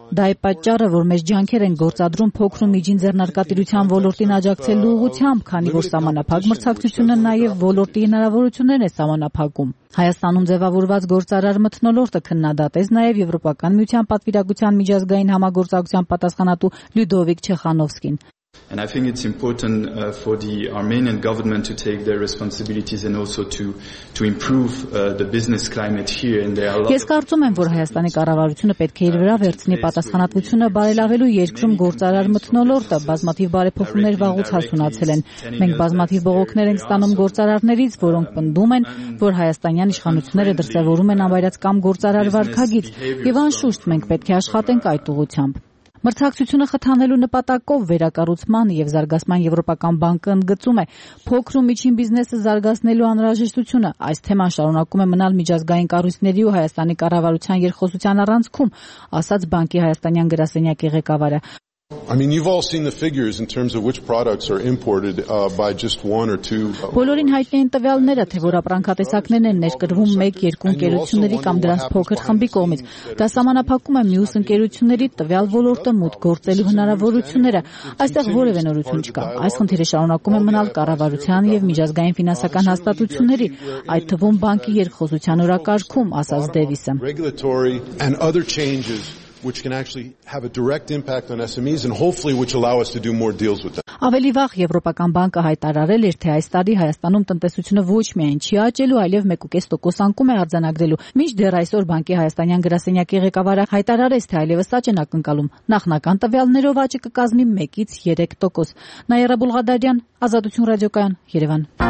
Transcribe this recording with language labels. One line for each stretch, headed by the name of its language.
Armenian: Դա է պատճառը, որ մեր ջանքեր են գործադրում փոքր ու միջին ձեռնարկատիրության ոլորտին աջակցելու ուղղությամբ, քանի որ սահմանափակ մրցակցությունը նաև ոլորտի հնարավորություններն է սահմանափակում։ Հայաստանում ձևավորված գործարար մթնոլորտը քննադատեց նաև Եվրոպական Միության պատվիրակության միջազգային համագործակցության պատասխանատու Լյուդովիկ Չեխանովսկին։
English: And I think it's important for the Armenian government to take their responsibilities and also to improve the business climate here and there.
Armenian: Ես կարծում եմ, որ Հայաստանի կառավարությունը պետք է իր վրա վերցնի պատասխանատվությունը բարելավելու երկրում գործարար մթնոլորտը, բազմաթիվ բարեփոխումներ վաղուց հասունացել են։ Մենք բազմաթիվ բողոքներ ենք ստանում գործարարներից, որոնք պնդում են, որ հայաստանյան իշխանությունները դրսևորում են անվայրած կամ գործարար վարքագիծ, եւ անշուշտ մենք պետք է աշխատենք այդ ուղղությամբ։ Մրցակցությունը խթանելու նպատակով վերակառուցման և զարգացման Եվրոպական բանկը ընդգծում է փոքր ու միջին բիզնեսը զարգացնելու անհրաժեշտությունը։ Այս թեման շարունակում է մնալ միջազգային կառույցների ու Հայաստանի կառավարության երկխոսության առանցքում, ասաց բանկի հայաստանյան գրասենյակի ղեկավարը։
English: I mean, you've all seen the figures in terms of which products are imported by just one or two.
Armenian: Բոլորին հայտնի են տվյալները, թե որ ապրանքատեսակներն են ներկրվում 1-2 ընկերությունների կամ դրանց փոքր խմբի կողմից։ Դա սահմանափակում է մյուս ընկերությունների տվյալ ոլորտը մուտք գործելու հնարավորությունները։ Այստեղ որևէ նորություն չկա։ Այս խնդիրը շարունակում է մնալ կառավարության և միջազգային ֆինանսական հաստատությունների, այդ թվում բանկի երկխոսության օրակարգում, ասաց Դևիսը։
English: Which can actually have a direct impact on SMEs and hopefully which allow us to do more deals with them.
Armenian: Ավելի վաղ Եվրոպական բանկը հայտարարել էր, թե այս տարի Հայաստանում տնտեսությունը ոչ միայն չի աճելու, այլև 1.5% անկում է արձանագրելու։ Մինչդեռ այսօր բանկի հայաստանյան գրասենյակի ղեկավարը հայտարարեց, թե այլևս աճ են ակնկալում։ Նախնական տվյալներով աճը կկազմի 1-ից 3%։ Նաիրա Բուլղադարյան, Ազատություն ռադիոկայան, Երևան։